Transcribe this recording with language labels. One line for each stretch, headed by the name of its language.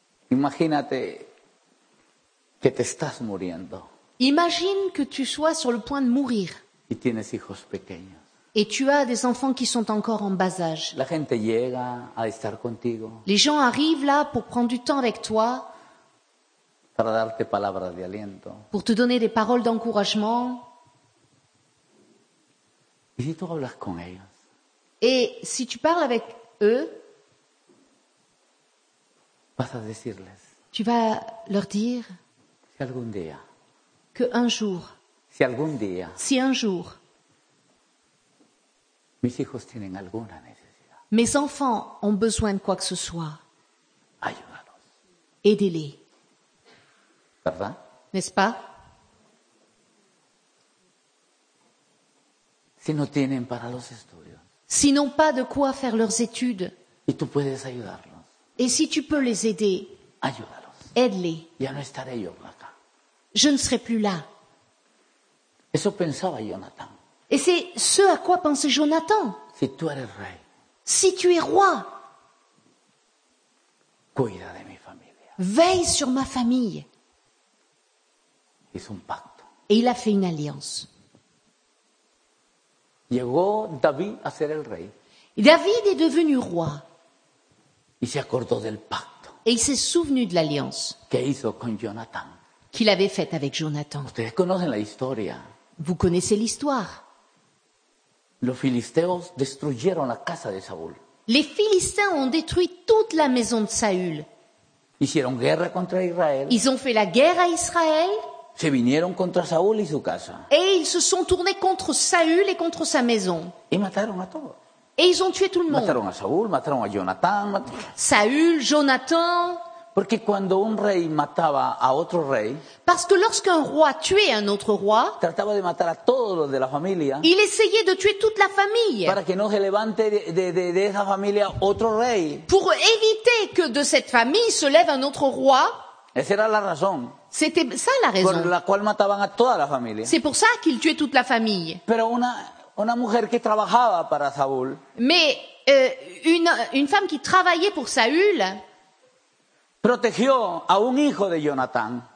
Spanish: Imagínate que te estás muriendo.
French: Imagine que tu sois sur le point de mourir.
Spanish: Y tienes hijos pequeños.
French: Et tu as des enfants qui sont encore en bas âge.
Spanish: La gente llega a estar contigo.
French: Les gens arrivent là pour prendre du temps avec toi.
Spanish: Para darte palabras de aliento.
French: Pour te donner des paroles d'encouragement.
Spanish: Y si tú hablas con ellos.
French: Et si tu parles avec eux.
Spanish: Vas a decirles,
French: tu vas leur dire
Spanish: si algún día,
French: que un jour,
Spanish: si algún día,
French: si un jour,
Spanish: mis hijos tienen alguna necesidad,
French: mes enfants ont besoin de quoi que ce soit,
Spanish: ayúdalos,
French: aidez-les,
Spanish: ¿verdad?
French: N'est-ce pas?
Spanish: Si no tienen para los estudios,
French: si n'ont pas de quoi faire leurs études,
Spanish: y tú puedes ayudarlos.
French: Et si tu peux les aider,
Spanish: ayúdalos.
French: Aide-les.
Spanish: Ya no estaré yo acá.
French: Je ne serai plus là.
Spanish: Eso pensaba Jonathan.
French: Et c'est ce à quoi pensait Jonathan.
Spanish: Si tú eres rey,
French: si tu es roi,
Spanish: cuida de mi familia.
French: Veille sur ma famille.
Spanish: Hizo un pacto.
French: Et il a fait une alliance.
Spanish: Llegó David a ser el rey.
French: David est devenu roi.
Spanish: Il se acordó del pacto.
French: Et il s'est souvenu de l'alliance.
Spanish: Que hizo con Jonathan.
French: Qu'il avait faite avec Jonathan.
Spanish: Ustedes conocen la historia.
French: Vous connaissez l'histoire.
Spanish: Los filisteos destruyeron la casa de Saúl.
French: Les Philistins ont détruit toute la maison de Saül.
Spanish: Hicieron guerra contra Israel.
French: Ils ont fait la guerre à Israël.
Spanish: Se vinieron contra Saúl y su casa.
French: Et ils se sont tournés contre Saül et contre sa maison.
Spanish: Y mataron a todos.
French: Et ils ont tué tout le monde.
Spanish: Mataron a Saúl, mataron a Jonathan.
French: Saül, Jonathan.
Spanish: Porque cuando un rey mataba a otro rey,
French: parce que lorsqu'un roi tuait un autre roi,
Spanish: trataba de matar a todos los de la familia,
French: il essayait de tuer toute la famille.
Spanish: Para que no se levante de esa familia otro rey.
French: Pour éviter que de cette famille se lève un autre roi.
Spanish: Esa era la razón.
French: C'était ça la raison.
Spanish: Por la cual mataban a toda la familia.
French: C'est pour ça qu'il tuait toute la famille.
Spanish: Pero una mujer que trabajaba para Saúl.
French: Mais une femme qui travaillait pour Saül.
Spanish: Protegió a un hijo de Jonathan.